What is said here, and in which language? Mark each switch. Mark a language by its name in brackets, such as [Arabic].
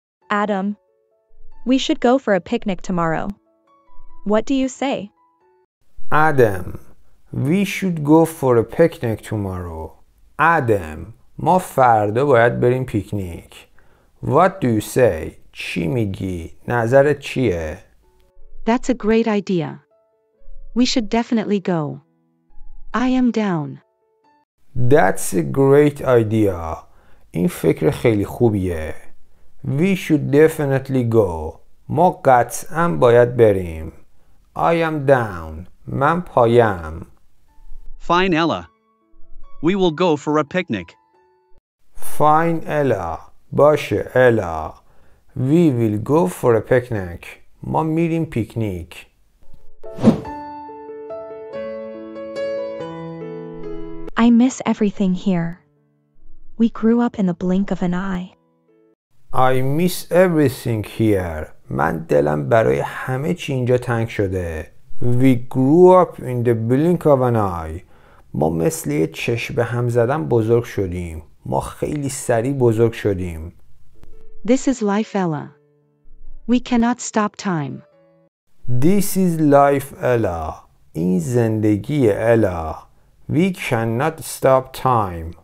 [English] Adam, we should go for a picnic tomorrow. What do you say? Adam, we should go for a picnic tomorrow. [Persian] Adam, ما فردا باید بریم پیکنیک. [English] What do you say? [Persian] چی میگی؟ نظرت چیه؟ [English] That's a great idea. We should definitely go. I am down. That's a great idea. [Persian] این فکر خیلی خوبیه. [English] We should definitely go. [Persian] ما قطعاً باید بریم. [English] I am down. [Persian] من پایم. [English] Fine, Ella. We will go for a picnic. Fine, Ella. [Persian] باشه, [English] Ella. We will go for a picnic. [Persian] ما میریم پیکنیک. [English] I miss everything here. We grew up in the blink of an eye. I miss everything here. [Persian] من دلم برای همه چی اینجا تنگ شده. [English] We grew up in the blink of an eye. [Persian] ما مثل یه چشم به هم زدن بزرگ شدیم. ما خیلی سریع بزرگ شدیم. [English] This is life, Ella. We cannot stop time. This is life, Ella. [Persian] این زندگی [English] Ella. We cannot stop time.